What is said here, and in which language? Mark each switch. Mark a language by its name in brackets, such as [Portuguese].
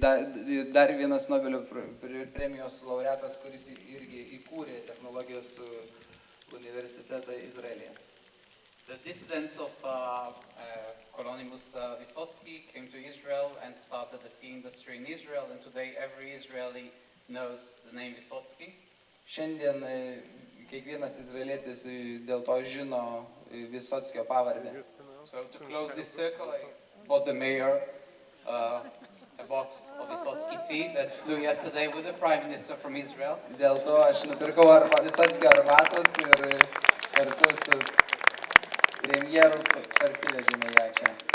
[Lithuanian] Tai dar vienas Nobelio premijos laureatas, kuris irgi įkūrė technologijos universitetą Izraelyje. [English] The descendants of Kolonimus Vysotsky came to Israel and started the tea industry in Israel, and today every Israeli knows the name Vysotsky. [Lithuanian] Šiandien kiekvienas izraelietis dėl to žino Vysotskio pavardę. [English] So to close this circle, I bought the mayor a box of Vysotsky tea that flew yesterday with the prime minister from Israel. [Lithuanian] Dėl to aš nupirkau Vysotskio arbatos ir kartu su premjeru parsivežėme ją čia.